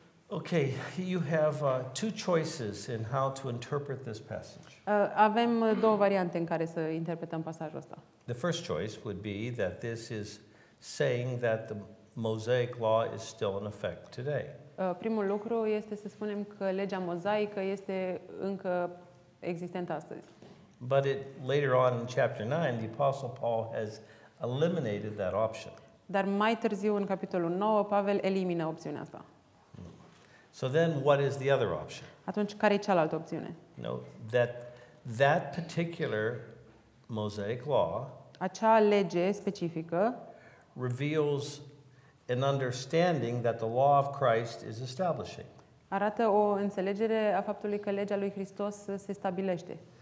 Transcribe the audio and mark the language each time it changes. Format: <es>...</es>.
<en>Okay, you have two choices in how to interpret this passage.</en> <ro>Avem două variante în care să interpretăm pasajul ăsta.</ro> <en>The first choice would be that this is saying that the Mosaic law is still in effect today.</en> <ro>Primul lucru este să spunem că legea mozaică este încă existentă astăzi.</ro> <en>But it, later on in chapter 9, the Apostle Paul has eliminated that option.</en> <ro>Dar mai târziu în capitolul 9, Pavel elimină opțiunea asta.</ro> <en>So then what is the other option?</en> <ro>Atunci care e cealaltă opțiune?</ro> <en>No, that particular Mosaic law,</en> <ro>acea lege specifică,</ro> <en>reveals an understanding that the law of Christ is establishing.</en> <ro>Arată o înțelegere a faptului că legea lui Hristos se stabilește.</ro>